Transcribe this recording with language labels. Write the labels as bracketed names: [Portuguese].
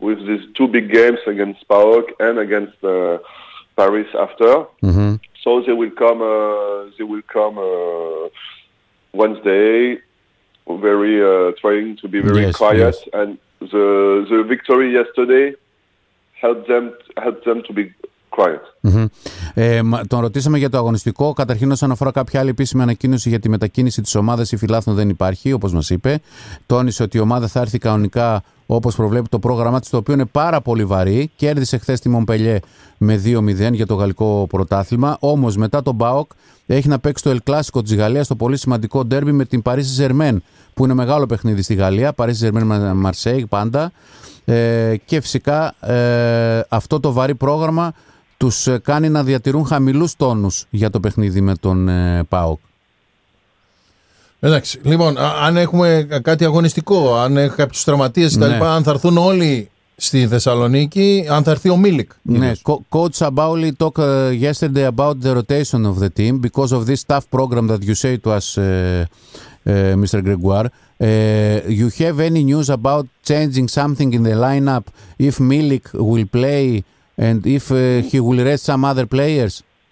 [English] with these two big games against PAOK and against Paris after. Mm-hmm. So they will come. They will come Wednesday. Very trying to be very, yes, quiet, yes, and the victory yesterday helped them to be quiet. Mm-hmm. [Greek] Τον ρωτήσαμε για το αγωνιστικό. Καταρχήν, όσον αφορά κάποια άλλη επίσημη ανακοίνωση για τη μετακίνηση της ομάδας ή φιλάθλων, δεν υπάρχει, όπως μας είπε. Τόνισε ότι η ομάδα θα έρθει κανονικά όπως προβλέπει το πρόγραμμά της, το οποίο είναι πάρα πολύ βαρύ. Κέρδισε χθες τη Μομπελιέ με 2-0 για το γαλλικό πρωτάθλημα. Όμως, μετά τον ΠΑΟΚ, έχει να παίξει το El Clásico της Γαλλίας, το πολύ σημαντικό ντέρμπι με την Paris Saint-Germain, που είναι μεγάλο παιχνίδι στη Γαλλία. Paris Saint-Germain-Marseille πάντα. Και φυσικά αυτό το βαρύ πρόγραμμα τους κάνει να διατηρούν χαμηλούς τόνους για το παιχνίδι με τον ΠΑΟΚ. Εντάξει, λοιπόν, αν έχουμε κάτι αγωνιστικό, αν έχει κάποιους τραυματίες, ναι, κλπ, αν θα έρθουν όλοι στη Θεσσαλονίκη, αν θα έρθει ο Μίλικ. [English] Ναι, Coach Σαμπάουλη talked yesterday about the rotation of the team because of this tough program that you say to us, Mr. Gregoire. You have any news about changing something in the lineup if Milik will play and if he will rest some other players?